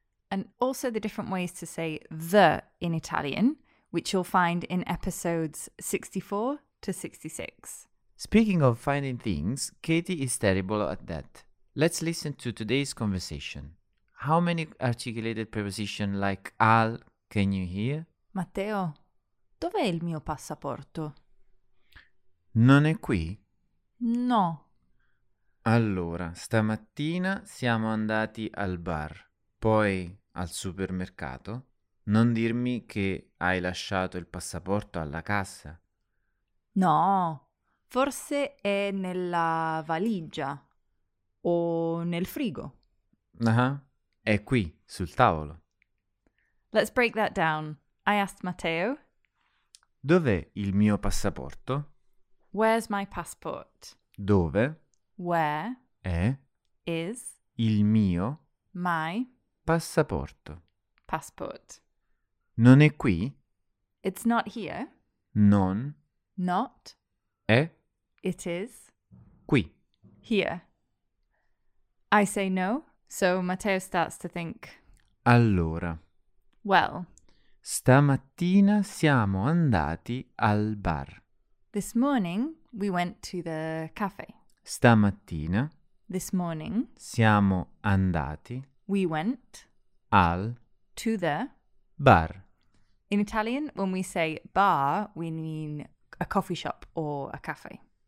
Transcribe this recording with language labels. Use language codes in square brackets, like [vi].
[en] And also the different ways to say the in Italian, which you'll find in episodes 64 to 66. Speaking of finding things, Katie is terrible at that. Let's listen to today's conversation. How many articulated prepositions like al can you hear? [it] Matteo, dov'è il mio passaporto? Non è qui? No. Allora, stamattina siamo andati al bar, poi al supermercato. Non dirmi che hai lasciato il passaporto alla cassa. No, forse è nella valigia o nel frigo. È qui, sul tavolo. [en] Let's break that down. I asked Matteo. [it] Dov'è il mio passaporto? [en] Where's my passport? [it] Dove? [en] Where? [it] È? [en] Is? [it] Il mio? [en] My? [it] Passaporto. [en] Passport. [it] Non è qui? [en] It's not here. [it] Non? [en] Not? [it] È? [en] It is? [it] Qui. [en] Here. I say no. So Matteo starts to think. [it] Allora. [en] Well. [it] Stamattina siamo andati al bar. [en] This morning we went to the cafe. [it] Stamattina. [en] This morning. [it] Siamo andati. [en] We went. [it] Al. [en] To the. [it] Bar. [en] In Italian, when we say bar, we mean a coffee shop or a cafe.